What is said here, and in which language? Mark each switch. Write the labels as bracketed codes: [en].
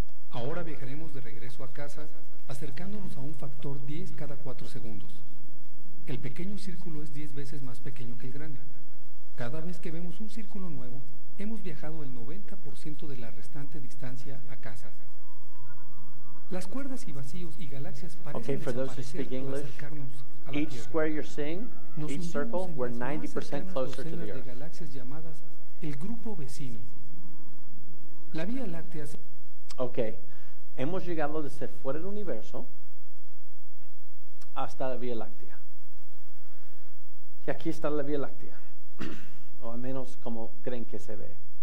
[es] Ahora viajaremos de regreso a casa, acercándonos a un factor 10 cada 4 segundos. El pequeño círculo es 10 veces más pequeño que el grande. Cada vez que vemos un círculo nuevo, hemos viajado el 90% de la restante distancia a casa. Las cuerdas y vacíos y galaxias parecen desaparecer para acercarnos a la Tierra. [en] Okay, for those who speak English, each square you're seeing, each circle, we're 90% closer to the Earth. [es] Galaxias llamadas el grupo vecino. La Vía Láctea. Okay, hemos llegado desde fuera del universo hasta la Vía Láctea. Y aquí está la Vía Láctea. O al menos como creen que se ve.